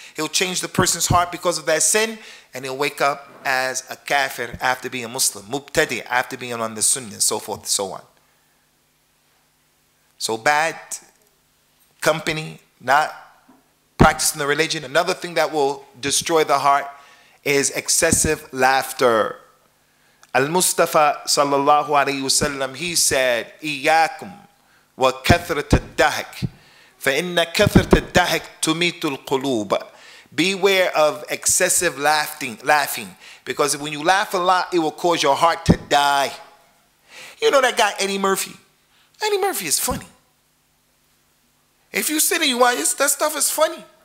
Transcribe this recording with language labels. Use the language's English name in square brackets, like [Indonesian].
[English] He'll change the person's heart because of that sin, and he'll wake up as a kafir after being a Muslim, mubtadi after being on the sunnah, and so forth and so on. So bad company, not practicing the religion. Another thing that will destroy the heart is excessive laughter. Al-Mustafa sallallahu alayhi wasallam, he said, [Arabic] إِيَّاكُمْ وَكَثْرَةَ الدَّهَكْ فَإِنَّ كَثْرَةَ الدَّهَكْ تُمِيتُ الْقُلُوبَ. [English] Beware of excessive laughing, because when you laugh a lot, it will cause your heart to die. You know that guy, Eddie Murphy? Eddie Murphy is funny. If you sit and you watch, that stuff is funny.